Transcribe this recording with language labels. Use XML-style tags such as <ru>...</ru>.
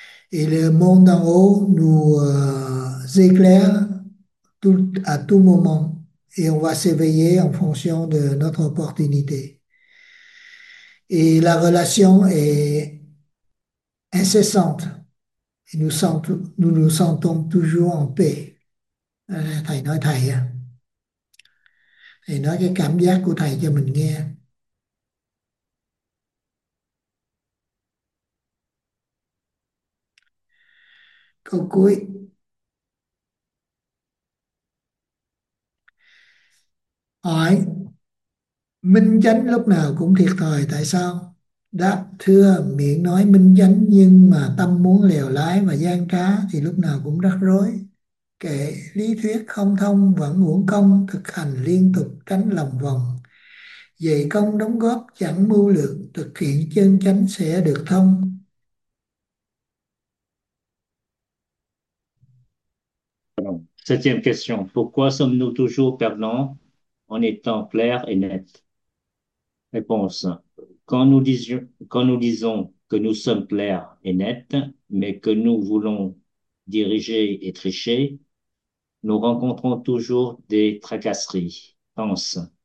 <fr>Et le monde en haut nous éclaire à tout moment. Et on va s'éveiller en fonction de notre opportunité. Et la relation est incessante. Et nous nous sentons toujours en paix.</fr> <vi>Thầy nói thầy. Thầy nói cái cảm giác của thầy cho mình nghe. Câu cuối. Hỏi, minh chánh lúc nào cũng thiệt thòi, tại sao? Đáp thưa, miệng nói minh chánh nhưng mà tâm muốn lèo lái và gian trá thì lúc nào cũng rắc rối. Kệ lý thuyết không thông vẫn uổng công, thực hành liên tục tránh lòng vòng. Dày công đóng góp chẳng mưu lược, thực hiện chân chánh sẽ được thông.</vi> <fr>Alors, septième question. Pourquoi sommes-nous toujours perdants en étant clairs et nets? Réponse. Quand nous disons que nous sommes clairs et nets, mais que nous voulons diriger et tricher, nous rencontrons toujours des tracasseries. Pense.</fr>